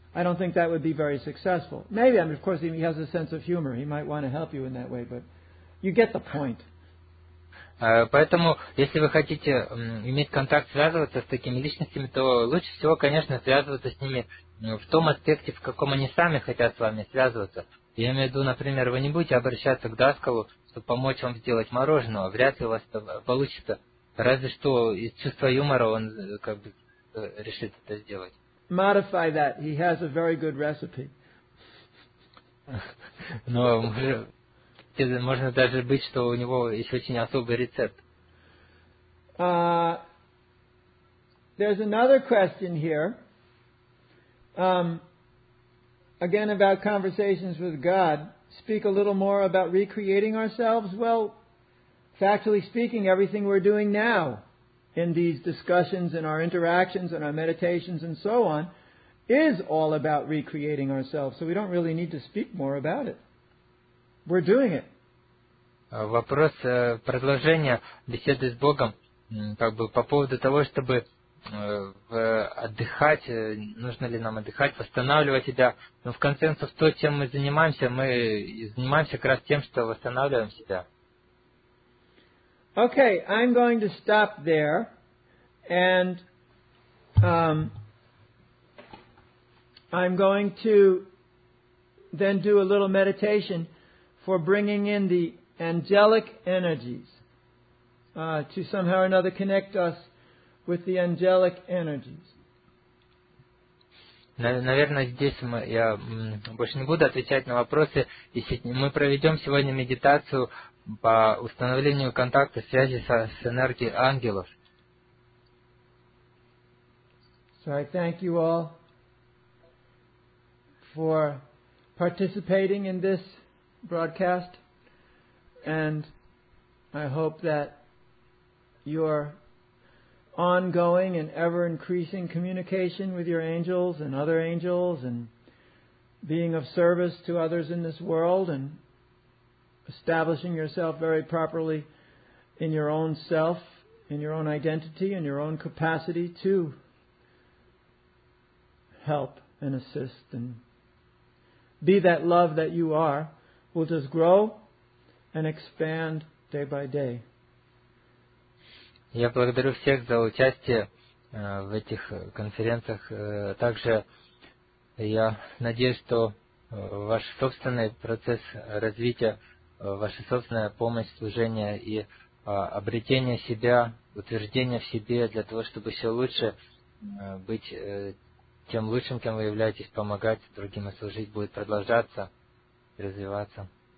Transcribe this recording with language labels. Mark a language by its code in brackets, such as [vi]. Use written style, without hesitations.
[en] I don't think that would be very successful. Maybe, I mean, of course, he has a sense of humor. He might want to help you in that way, but you get the point. [ru] Поэтому, если вы хотите иметь контакт, связываться с такими личностями, то лучше всего, конечно, связываться с ними в том аспекте, в каком они сами хотят с вами связываться. Я имею в виду, например, вы не будете обращаться к Даскалу, чтобы помочь вам сделать мороженого. Вряд ли у вас это получится. Разве что из чувства юмора он как бы решит это сделать. [en] Modify that. He has a very good recipe. [ru] Но можно даже быть, что у него есть очень особый рецепт. [en] There's another question here. Again, about conversations with God. Speak a little more about recreating ourselves. Well, factually speaking, everything we're doing now in these discussions and our interactions and our meditations and so on is all about recreating ourselves. So we don't really need to speak more about it. We're doing it. [ru] Вопрос продолжения беседы с Богом как бы по поводу того, чтобы отдыхать, нужно ли нам отдыхать, восстанавливать себя. Но в конце концов, то, чем мы занимаемся как раз тем, что восстанавливаем себя. [en] Okay, I'm going to stop there. And I'm going to then do a little meditation for bringing in the angelic energies to somehow or another connect us with the angelic energies. [ru] Наверное, здесь я больше не буду отвечать на вопросы. Мы проведем сегодня медитацию по установлению контакта, связи с энергией ангелов. [en] So I thank you all for participating in this broadcast, and I hope that your ongoing and ever-increasing communication with your angels and other angels and being of service to others in this world and establishing yourself very properly in your own self, in your own identity, in your own capacity to help and assist and be that love that you are will just grow and expand day by day. [ru] Я благодарю всех за участие в этих конференциях. Также я надеюсь, что ваш собственный процесс развития, ваша собственная помощь, служение и обретение себя, утверждение в себе для того, чтобы все лучше быть тем лучшим, кем вы являетесь, помогать другим и служить, будет продолжаться, развиваться.